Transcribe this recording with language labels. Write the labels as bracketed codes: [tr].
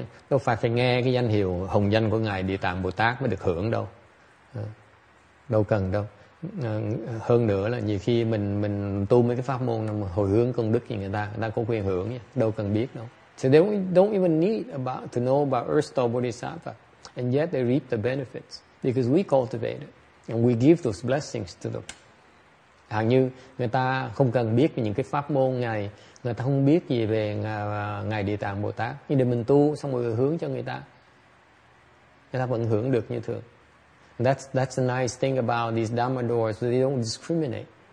[vi] Đâu phải nghe cái danh hiệu hồng danh của Ngài Địa Tạng Bồ Tát mới được hưởng đâu. Đâu cần đâu. Hơn nữa là nhiều khi mình tu mấy cái pháp môn mà hồi hướng công đức thì người ta có quyền hưởng nhé. Đâu cần biết đâu. [en] So they don't even need to know about erstwhile bodhisattva, and yet they reap the benefits because we cultivate it and we give those blessings to them. [vi] Hàng như người ta không cần biết về những cái pháp môn ngài, người ta không biết gì về ngài Địa Tạng Bồ Tát, nhưng để mình tu xong rồi hướng cho người ta vẫn hưởng được như thường. [en] That's a nice thing about these Dhamma doors, they don't discriminate.